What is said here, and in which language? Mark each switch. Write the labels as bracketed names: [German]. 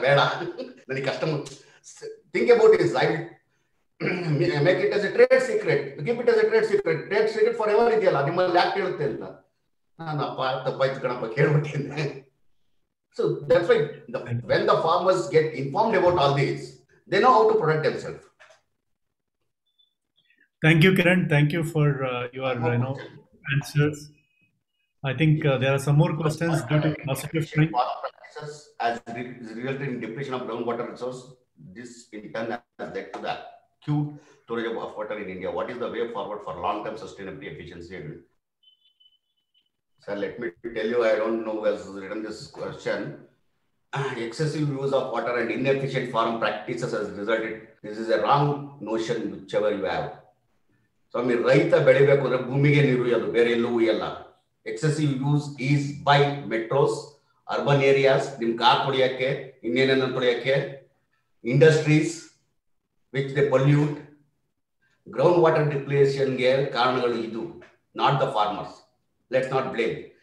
[Kannada] ಬೇಡ ನನಗೆ ಕಷ್ಟ. [English] Think about is I make it as a trade secret, keep it as a trade secret. [Kannada] Trade secret for ever ಇದೆಯಲ್ಲ, ನಿಮ್ಮಲ್ಲಿ ಯಾಕೆ ಹೇಳುತ್ತೆ ಅಂತ ನಾನು ಅಪ್ಪ ತಪ್ಪಾಯ್ತು ಕಣಪ್ಪ ಕೇಳ್ಬಿಟ್ಟಿದ್ದೆ. [English] So that's why when the farmers get informed about all these they know how to protect themself. Thank you, Kiran. Thank you for your answers. I think there are some more questions due to positive trend. Prices as resulted in depletion of groundwater resource. This in turn has led to the acute shortage of water in India. What is the way forward for long-term sustainability efficiency? Sir, let me tell you, I don't know who has written this question. Excessive use of water and inefficient farm practices has resulted. This is a wrong notion, whichever you have. [Kannada] ಸ್ವಾಮಿ, ರೈತ ಬೆಳಿಬೇಕು ಅಂದ್ರೆ ಭೂಮಿಗೆ ನೀರು ಉಯ್ಯೋದು, ಬೇರೆ ಎಲ್ಲೂ ಉಯ್ಯಲ್ಲ. [English] excessive use is by metros, urban areas, [Kannada] ನಿಮ್ car ಕುಡಿಯಕ್ಕೆ, ಇನ್ನೇನೇನ ಕುಡಿಯಕ್ಕೆ, [English] Industries which they pollute. [Kannada] Ground water ಡಿಪ್ಲೇಷನ್ಗೆ ಕಾರಣಗಳು ಇದು, [English] Not the farmers. Let's not blame.